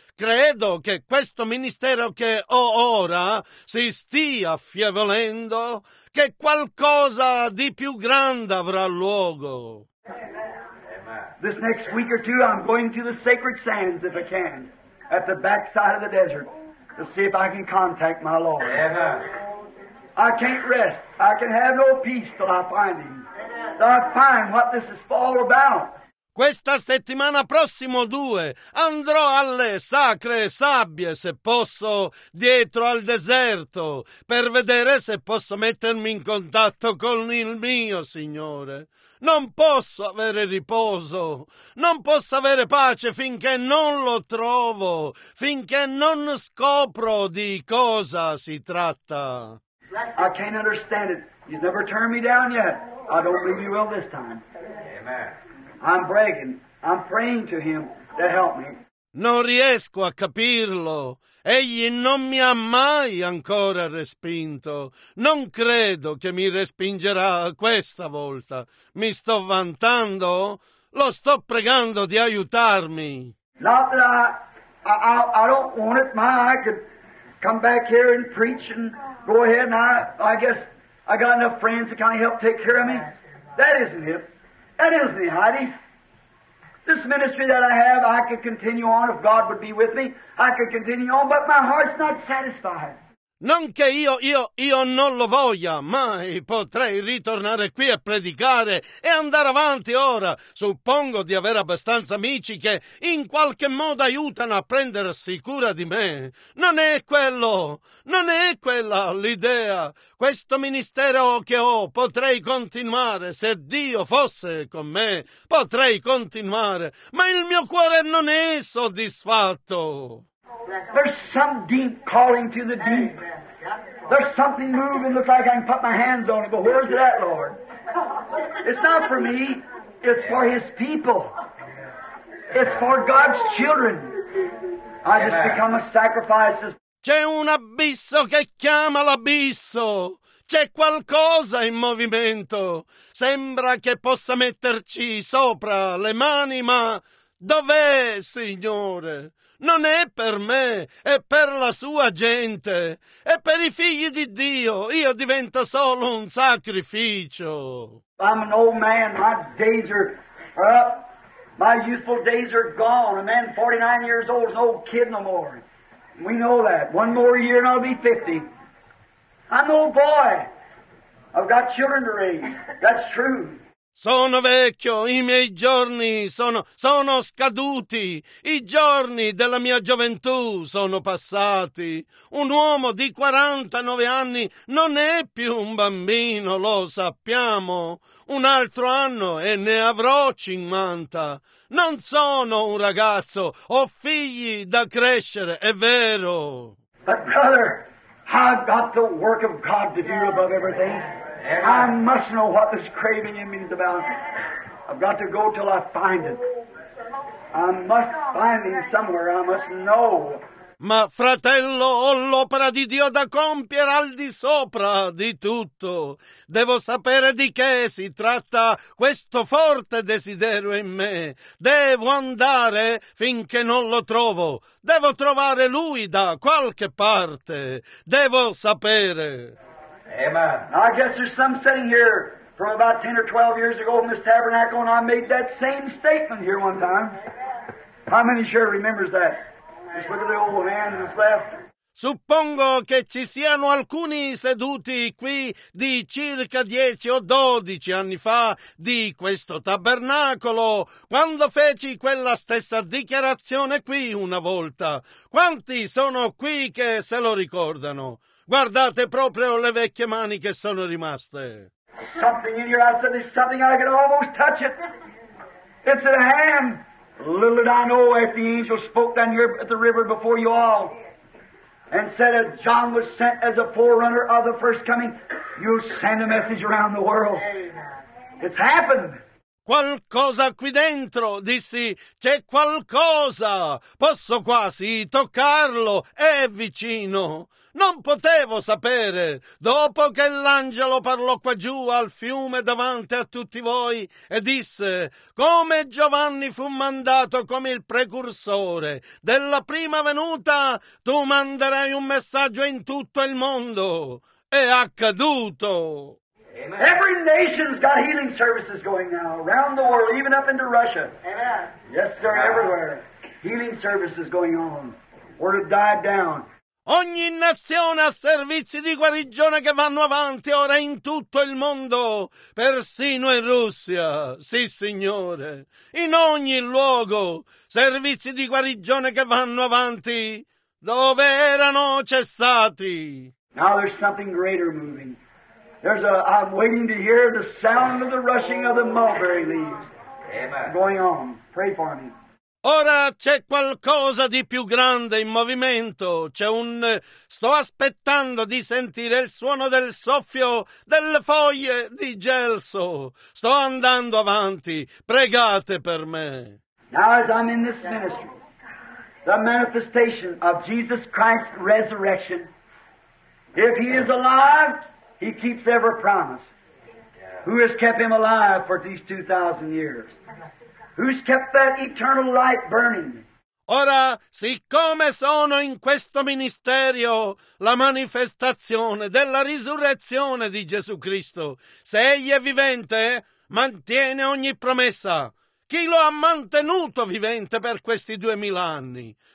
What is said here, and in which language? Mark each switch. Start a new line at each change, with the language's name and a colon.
Italian: Credo che questo ministero che ho ora si stia affievolendo, che qualcosa di più grande avrà luogo.
English: This next week or two I'm going to the sacred sands if I can, at the back side of the desert. To see if I can contact my Lord. Amen. I can't rest. I can have no peace till I find Him. Till I find what this is all about.
Italian: Questa settimana prossimo due andrò alle sacre sabbie, se posso, dietro al deserto, per vedere se posso mettermi in contatto con il mio Signore. Non posso avere riposo, non posso avere pace finché non lo trovo, finché non scopro di cosa si tratta.
English: I can't understand it. He's never turned me down yet. I don't believe you will this time. Amen. I'm begging, I'm praying to him to help me.
Italian: Non riesco a capirlo. Egli non mi ha mai ancora respinto. Non credo che mi respingerà questa volta. Mi sto vantando? Lo sto pregando di aiutarmi.
English: Not that I don't want it. I could come back here and preach and go ahead and I guess I got enough friends to kind of help take care of me. That isn't it. That isn't it, Heidi. This ministry that I have, I could continue on if God would be with me. I could continue on, but my heart's not satisfied.
Italian: Non che io non lo voglia, mai potrei ritornare qui a predicare e andare avanti ora. Suppongo di avere abbastanza amici che in qualche modo aiutano a prendersi cura di me. Non è quella l'idea. Questo ministero che ho potrei continuare se Dio fosse con me. Potrei continuare, ma il mio cuore non è soddisfatto.
English: Well, There's some deep calling to the deep. There's something moving, looks like I can put my hands on it, but where's it at, Lord? It's not for me. It's for His people. It's for God's children. I just become a sacrifice.
Italian: C'è un abisso che chiama l'abisso. C'è qualcosa in movimento. Sembra che possa metterci sopra le mani, ma dov'è, Signore? Non è per me, è per la sua gente. È per i figli di Dio. Io divento solo un sacrificio.
English: I'm an old man. My days are up. My youthful days are gone. A man 49 years old is an old kid no more. We know that. One more year and I'll be 50. I'm an old boy. I've got children to raise. That's true.
Italian: Sono vecchio, i miei giorni sono scaduti, i giorni della mia gioventù sono passati. Un uomo di 49 anni non è più un bambino, lo sappiamo. Un altro anno e ne avrò 50. Non sono un ragazzo, ho figli da crescere, è vero.
English: But brother, I've got the work of God to do above everything. I must know what this craving in me is about. I've got to go till I find it. I must find him somewhere. I must know.
Italian: Ma fratello, ho l'opera di Dio da compiere al di sopra di tutto. Devo sapere di che si tratta questo forte desiderio in me. Devo andare finché non lo trovo. Devo trovare lui da qualche parte. Devo sapere.
English: Amen. I guess there's some sitting here from about 10 or 12 years ago in this tabernacle, and I made that same statement here one time. How many sure remembers that? Just look at the old hand that's left.
Italian: Suppongo che ci siano alcuni seduti qui di circa 10 o 12 anni fa di questo tabernacolo, quando feci quella stessa dichiarazione qui una volta. Quanti sono qui che se lo ricordano? Guardate proprio le vecchie mani che sono rimaste.
English: Something in your eyes, there's something I can almost touch it. It's a hand. Little did I know if the angel spoke down here at the river before you all and said that John was sent as a forerunner of the first coming, you'll send a message around the world. It's happened.
Italian: Qualcosa qui dentro, dissi, c'è qualcosa. Posso quasi toccarlo, è vicino. Non potevo sapere, dopo che l'angelo parlò qua giù al fiume davanti a tutti voi e disse, come Giovanni fu mandato come il precursore della prima venuta, tu manderai un messaggio in tutto il mondo. È accaduto.
English: Amen. Every nation's got healing services going now around the world, even up into Russia. Amen. Yes, sir, everywhere. Healing services going on. Word have died down.
Italian: Ogni nazione ha servizi di guarigione che vanno avanti ora in tutto il mondo, persino in Russia, sì signore, in ogni luogo, servizi di guarigione che vanno avanti dove erano cessati.
English: Now there's something greater moving. There's a, I'm waiting to hear the sound of the rushing of the mulberry leaves. Amen. Going on, pray for me.
Italian: Ora c'è qualcosa di più grande in movimento, c'è un... sto aspettando di sentire il suono del soffio delle foglie di gelso. Sto andando avanti, pregate per me.
English: Now as I'm in this ministry, the manifestation of Jesus Christ's resurrection, if he is alive, he keeps every promise. Who has kept him alive for these 2,000 years? Who's kept that eternal light burning?
Italian: Ora, siccome sono in questo ministerio, la manifestazione della risurrezione di Gesù Cristo, se egli è vivente, mantiene ogni promessa. Chi lo ha mantenuto vivente per questi 2000 anni?